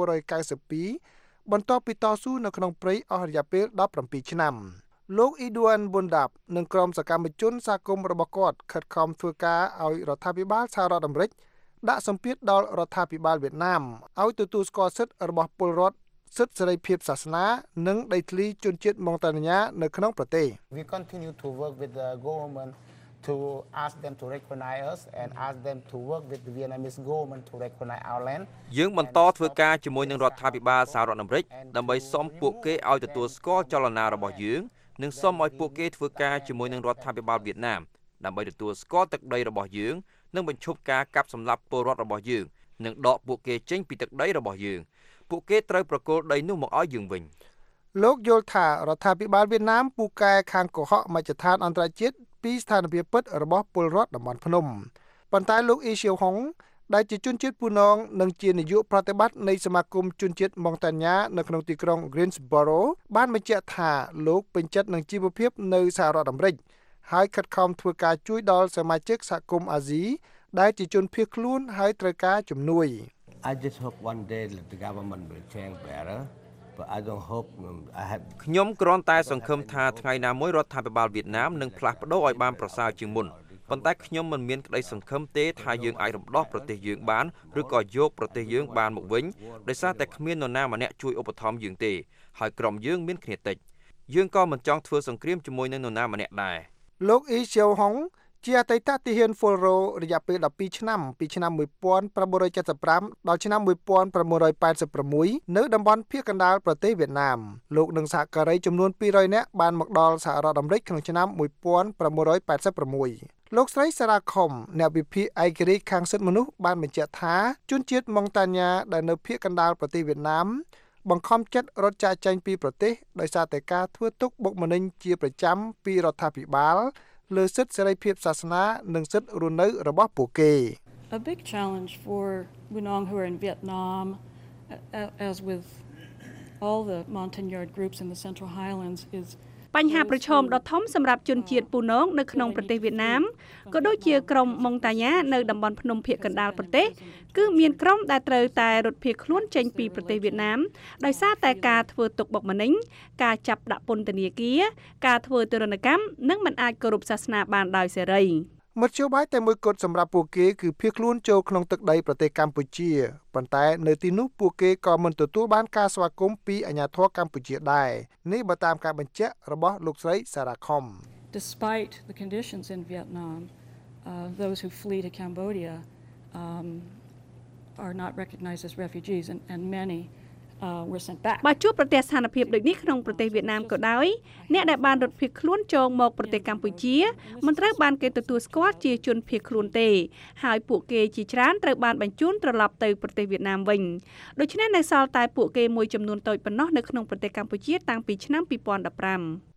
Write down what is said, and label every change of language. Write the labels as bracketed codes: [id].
[km] 1992បន្ទាប់ពីតស៊ូនៅក្នុងព្រៃអស់រយៈពេល17ឆ្នាំលោកអ៊ីឌួនប៊ុនដាប់និងក្រុមសកម្មជនសាគមរបស់គាត់ខិតខំធ្វើការឲ្យរដ្ឋាភិបាលសហរដ្ឋអាមេរិកដាក់សម្ពាធដល់រដ្ឋាភិបាលវៀតណាមឲ្យទទួលស្គាល់សិទ្ធិរបស់ពលរដ្ឋសិទ្ធិសេរីភាពសាសនានិងដីធ្លីជនជាតិម៉ង់តាញ៉ានៅក្នុងប្រទេស [en] We continue to work with the government to ask them to recognize us and ask them to work with the Vietnamese government to recognize our land [km] យើងបន្តធ្វើការជាមួយនឹងរដ្ឋាភិបាលសហរដ្ឋអាមេរិកដើម្បីសុំពួកគេឲ្យទទួលស្គាល់ចលនារបស់យើងនឹងសូមឲ្យពួកគេធ្វើការជាមួយនឹងរដ្ឋាភិបាលវៀតណាមដើម្បីទទួលស្គាល់ទឹកដីរបស់យើងនិងបញ្ឈប់ការកាប់សម្លាប់ពលរដ្ឋរបស់យើងនិងដកពួកគេចេញពីទឹកដីរបស់យើងពួកគេត្រូវប្រគល់ដីនោះមកឲ្យយើងវិញ លោកយល់ថារដ្ឋាភិបាលវៀតណាមពូកែខាងកុហកមជ្ឈដ្ឋានអន្តរជាតិពីស្ថានភាពពិតរបស់ពលរដ្ឋតំបន់ភ្នំប៉ុន្តែលោកអ៊ីសៀវហុង ដែលជាជនជាតិពូណងនិងជានាយកប្រតិបត្តិនៃសមាគមជនជាតិម៉ុងតាញ៉ានៅក្នុងទីក្រុង Greensboro បានបញ្ជាក់ថាលោកពេញចិត្តនឹងជីវភាពនៅសហរដ្ឋអាមេរិកហើយខិតខំធ្វើការជួយដល់សមាជិកសហគមន៍អាស៊ីដែលជាជនភៀសខ្លួនហើយត្រូវការជំនួយ [en] I just hope one day that the government will change better. But I don't hope I have [km] ខ្ញុំគ្រាន់តែសង្ឃឹមថាថ្ងៃណាមួយរដ្ឋាភិបាលវៀតណាមនឹងផ្លាស់ប្ដូរឲ្យបានប្រសើរជាងមុនប៉ុន្តែខ្ញុំមិនមានក្តីសង្ឃឹមទេថាយើងអាចរំដោះប្រទេសយើងបានឬក៏យកប្រទេសយើងបានមកវិញដោយសារតែគ្មាននរណាម្នាក់ជួយឧបត្ថម្ភយើងទេហើយក្រុមយើងមានគ្នាតិចយើងក៏មិនចង់ធ្វើសង្គ្រាមជាមួយនឹងនរណាម្នាក់ដែរ លោកអ៊ីសៀវហុងជាអតីតទាហានហ្វុលរ៉ូរយៈពេល12ឆ្នាំពីឆ្នាំ1975ដល់ឆ្នាំ1986នៅតំបន់ភៀកកណ្ដាលប្រទេសវៀតណាមលោកនឹងសហការីចំនួន200នាក់បានមកដល់សហរដ្ឋអាមេរិកក្នុងឆ្នាំ 1986លោកស្រីសារ៉ាខុំអ្នកវិភាគឯករាជ្យខាងសិទ្ធិមនុស្សបានបញ្ជាក់ថាជនជាតិម៉ុងតាញ៉ាដែលនៅភៀកកណ្ដាលប្រទេសវៀតណាមបង្ខំចិត្តរត់ចាកចេញពីប្រទេសដោយសារតែការធ្វើទុកបុកម្នេញជាប្រចាំពីរដ្ឋាភិបាលលើសិទ្ធិសេរីភាពសាសនានិងសិទ្ធិរស់នៅរបស់ពួកគេ [en] A big challenge for Wunong who are in Vietnam as with all the Montagnard groups in the Central Highlands is [km] បញ្ហាប្រឈមដ៏ធំសម្រាប់ជនជាតិពូណងនៅក្នុងប្រទេសវៀតណាមក៏ដូចជាក្រុមម៉ុងតាញ៉ានៅតំបន់ភ្នំភៀកកណ្ដាលប្រទេសគឺមានក្រុមដែលត្រូវតែរត់ភៀសខ្លួនចេញពីប្រទេសវៀតណាមដោយសារតែការធ្វើទុកបុកម្នេញការចាប់ដាក់ពន្ធនាគារការធ្វើទរណកម្មនិងមិនអាចគោរពសាសនាបានដោយសេរី មតិយោបាយតែមួយគត់សម្រាប់ពួកគេគឺភៀសខ្លួនចូលក្នុងទឹកដីប្រទេសកម្ពុជាប៉ុន្តែនៅទីនោះពួកគេក៏មិនទទួលបានការស្វាគមន៍ពីអាជ្ញាធរកម្ពុជាដែរនេះបើតាមការបញ្ជាក់របស់លោកស្រីសារ៉ាខុំ [en] Despite the conditions in Vietnam those who flee to Cambodia are not recognized as refugees and manywere sent back [km] បាទជួបប្រទេសស្ថានភាពដូចនេះក្នុងប្រទេសវៀតណាមក៏ដោយអ្នកដែលបានរត់ភៀសខ្លួនចូលមកប្រទេសកម្ពុជាមិនត្រូវបានគេទទួលស្គាល់ជាជនភៀសខ្លួនទេហើយពួកគេជាច្រើនត្រូវបានបញ្ជូនត្រឡប់ទៅប្រទេសវៀតណាមវិញដូច្នេះនៅសល់តែពួកគេមួយចំនួនតូចប៉ុណ្ណោះនៅក្នុងប្រទេសកម្ពុជាតាំងពីឆ្នាំ2015